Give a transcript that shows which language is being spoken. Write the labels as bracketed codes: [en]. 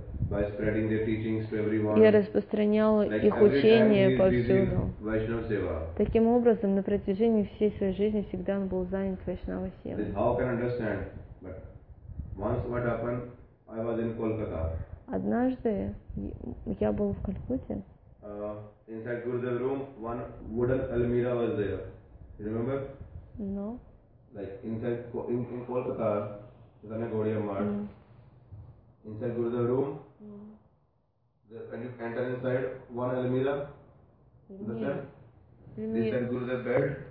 [en] By spreading their teachings to everyone. [ru] Я распространял [en] like [ru] их учение повсюду. [sa] Vaishnava-seva. [ru] Таким образом, на протяжении всей своей жизни всегда он был занят вайшнава-севой. [en] How can I understand? But once what happened, I was in Kolkata. [ru] Однажды я был в Калькутте. [en] Inside Gurudev room, one wooden almira was there. You remember? No. Like inside in Kolkata, there is a Gaudiya Mart. Inside Gurudev room, when you enter inside, one almira, inside Gurudev bed,